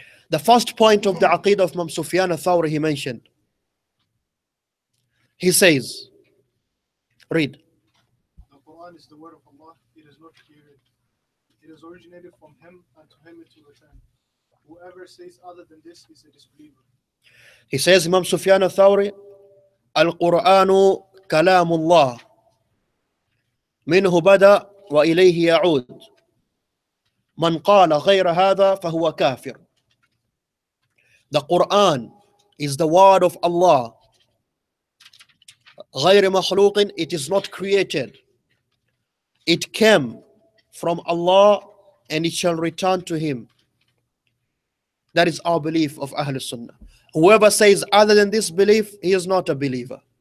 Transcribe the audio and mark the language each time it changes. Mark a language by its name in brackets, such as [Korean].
[English] The first point of the aqidah of Imam Sufyan al-Thawri, he mentioned. He says, read. The Quran is the word of Allah, it is not created. It is originated from him, and to him it will return. Whoever says other than this is a disbeliever. He says, [Arabic] Imam Sufyan al-Thawri, القرآن كلام الله منه بدأ وإليه يعود من قال غير هذا فهو كافر. [English] The Quran is the word of Allah, [Arabic] غير مخلوق, [English] it is not created, it came from Allah and it shall return to him. That is our belief of Ahl Sunnah. Whoever says other than this belief, he is not a believer.